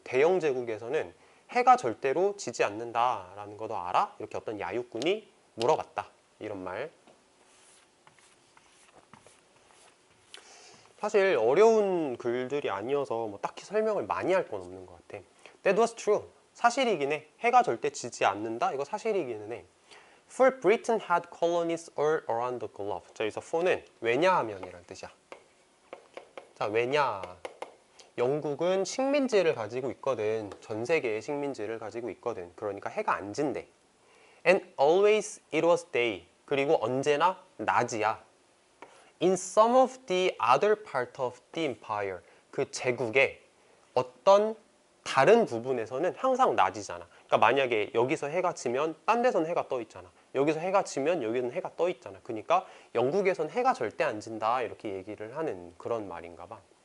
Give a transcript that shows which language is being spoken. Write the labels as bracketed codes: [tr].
[ko] 대영 제국에서는 해가 절대로 지지 않는다라는 것도 알아? 이렇게 어떤 야유꾼이 물어봤다. 이런 말. 사실 어려운 글들이 아니어서 뭐 딱히 설명을 많이 할 건 없는 것 같아. [en] That was true. [ko] 사실이긴 해. 해가 절대 지지 않는다? 이거 사실이기는 해. [en] For Britain had colonies all around the globe. [ko] 자, 여기서 for는 왜냐하면 이란 뜻이야. 자, 왜냐. 영국은 식민지를 가지고 있거든. 전 세계에 식민지를 가지고 있거든. 그러니까 해가 안 진대. [en] And always it was day. [ko] 그리고 언제나 낮이야. [en] In some of the other part of the empire. [ko] 그 제국의 어떤 다른 부분에서는 항상 낮이잖아. 그러니까 만약에 여기서 해가 지면 딴 데선 해가 떠 있잖아. 여기서 해가 지면 여기는 해가 떠 있잖아. 그러니까 영국에선 해가 절대 안 진다. 이렇게 얘기를 하는 그런 말인가 봐.